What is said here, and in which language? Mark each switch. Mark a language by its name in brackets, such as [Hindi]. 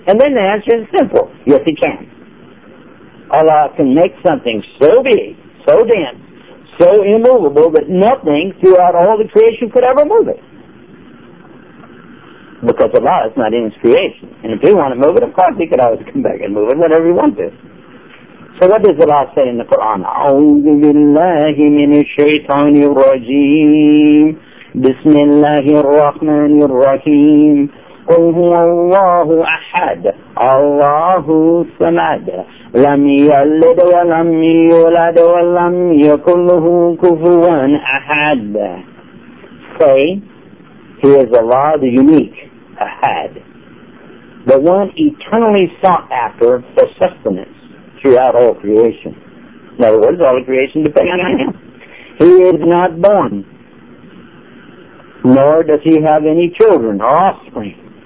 [English] And then the answer is simple. Yes, He can. Allah can make something so big, so dense, so immovable that nothing throughout all the creation could ever move it. Because Allah is not in His creation. And if He wanted to move it, of course He could always come back and move it whenever He wanted to. So what does Allah say in the Quran? [Arabic] أعوذ بالله من الشيطان الرجيم بسم الله الرحمن الرحيم قل هو الله أحد الله الصمد لم يلد ولم يولد ولم يكن له كفوا أحد. [English] Say, He is Allah the unique, Ahad, the one eternally sought after for sustenance throughout all creation. In other words, all creation depends on Him. He is not born, nor does He have any children or offspring.